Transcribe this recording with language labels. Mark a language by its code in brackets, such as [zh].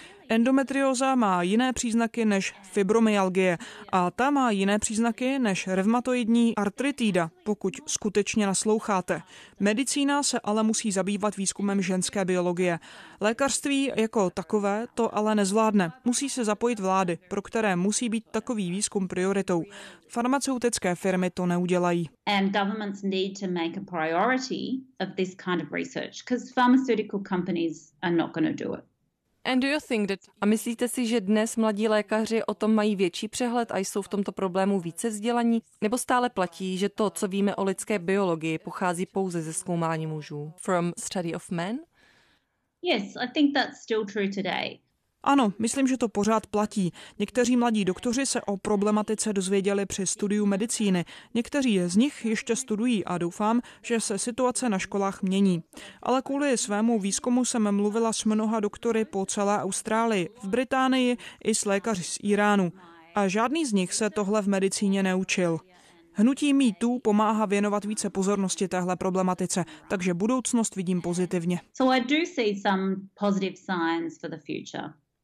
[cs] Endometrióza má jiné příznaky než fibromyalgie a ta má jiné příznaky než revmatoidní artritída, pokud skutečně nasloucháte. Medicína se ale musí zabývat výzkumem ženské biologie. Lékařství jako takové to ale nezvládne. Musí se zapojit vlády, pro které musí být takový výzkum prioritou. Farmaceutické firmy to neudělají. [en] And governments need to make a priority of this kind of research, because pharmaceutical companies are not going to do it. And do you think that? [cs] A myslíte si, že dnes mladí lékaři o tom mají větší přehled a jsou v tomto problému více vzdělaní, nebo stále platí, že to, co víme o lidské biologii, pochází pouze ze zkoumání mužů? [en] From study of men? Yes, I think that's still true today. [cs] Ano, myslím, že to pořád platí. Někteří mladí doktoři se o problematice dozvěděli při studiu medicíny. Někteří z nich ještě studují a doufám, že se situace na školách mění. Ale kvůli svému výzkumu jsem mluvila s mnoha doktory po celé Austrálii, v Británii i s lékaři z Íránu. A žádný z nich se tohle v medicíně neučil. Hnutí MeToo pomáhá věnovat více pozornosti téhle problematice, takže budoucnost vidím pozitivně. [en] So I do see some positive signs for the future.